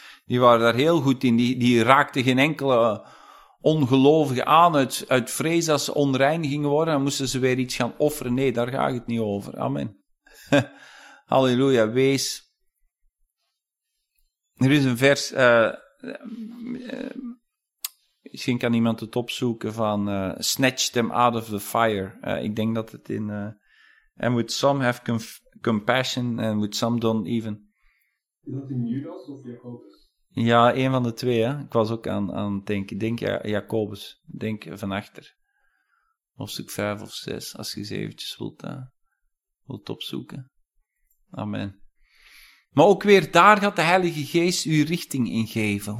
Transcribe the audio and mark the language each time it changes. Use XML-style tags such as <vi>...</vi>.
<nl>Die waren daar heel goed in, die raakten geen enkele ongelovige aan uit vrees dat ze onrein gingen worden en moesten ze weer iets gaan offeren. Nee, daar ga ik het niet over. Amen. Halleluja, wees. Er is een vers, misschien kan iemand het opzoeken van</nl> <en>Snatch them out of the fire.</en> <nl>Ik denk dat het in...</nl> <en>And with some have compassion and with some don't even...</en> <nl>Is dat in Judas of Jacobus? Ja, een van de twee. Hè? Ik was ook aan het denken. Denk Jacobus. Denk van achter. Hoofdstuk 5 of 6, als je eens eventjes wilt opzoeken. Amen. Maar ook weer daar gaat de Heilige Geest uw richting in geven.</nl>